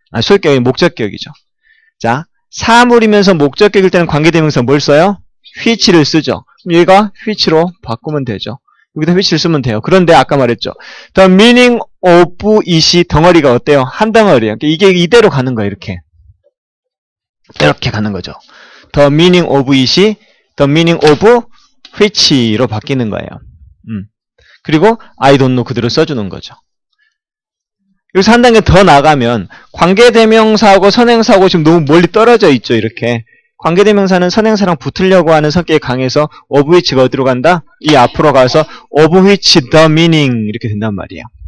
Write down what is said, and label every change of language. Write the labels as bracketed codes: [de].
[ko] 소유격이 목적격이죠. 자. 사물이면서 목적격일 때는 관계대명사 뭘 써요? which를 쓰죠. 그럼 얘가 which로 바꾸면 되죠. 여기다 which를 쓰면 돼요. 그런데 아까 말했죠. [en] The meaning of it [ko] 덩어리가 어때요? 한 덩어리예요. 그러니까 이게 이대로 가는 거예요. 이렇게. 이렇게 가는 거죠. [en] The meaning of it, the meaning of which로 [ko] 바뀌는 거예요. 그리고 [en] I don't know [ko] 그대로 써주는 거죠. 여기서 한 단계 더 나가면 관계대명사하고 선행사하고 지금 너무 멀리 떨어져 있죠. 이렇게 관계대명사는 선행사랑 붙으려고 하는 성격이 강해서 of which가 어디로 간다? 이 앞으로 가서 [en] of which the meaning [ko] 이렇게 된단 말이에요.